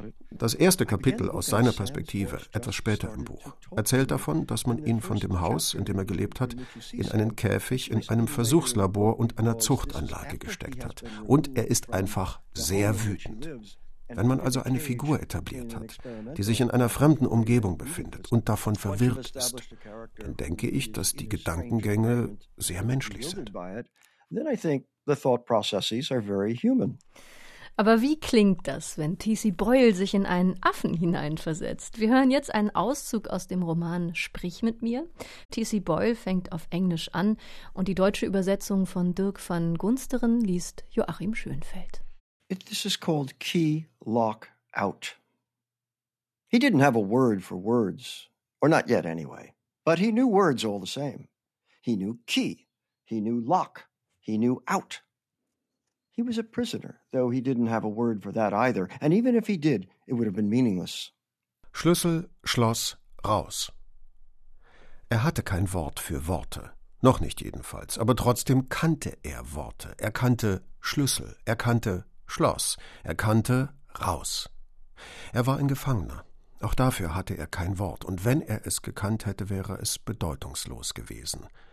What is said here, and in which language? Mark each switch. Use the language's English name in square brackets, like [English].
[German] Das erste Kapitel aus seiner Perspektive, etwas später im Buch, erzählt davon, dass man ihn von dem Haus, in dem er gelebt hat, in einen Käfig in einem Versuchslabor und einer Zuchtanlage gesteckt hat. Und er ist einfach sehr wütend. Wenn man also eine Figur etabliert hat, die sich in einer fremden Umgebung befindet und davon verwirrt ist, dann denke ich, dass die Gedankengänge sehr menschlich sind. [English] Then I think the thought processes are very human. [German] Aber wie klingt das, wenn T.C. Boyle sich in einen Affen hineinversetzt? Wir hören jetzt einen Auszug aus dem Roman Sprich mit mir. T.C. Boyle fängt auf Englisch an und die deutsche Übersetzung von Dirk van Gunsteren liest Joachim Schönfeld. [English] This is called key lock out. He didn't have a word for words, or not yet anyway, but he knew words all the same. He knew key, he knew lock. He knew out. He was a prisoner, though he didn't have a word for that either. And even if he did, it would have been meaningless. [German] Schlüssel, Schloss, raus. Er hatte kein Wort für Worte. Noch nicht jedenfalls. Aber trotzdem kannte er Worte. Er kannte Schlüssel. Er kannte Schloss. Er kannte raus. Er war ein Gefangener. Auch dafür hatte er kein Wort. Und wenn er es gekannt hätte, wäre es bedeutungslos gewesen.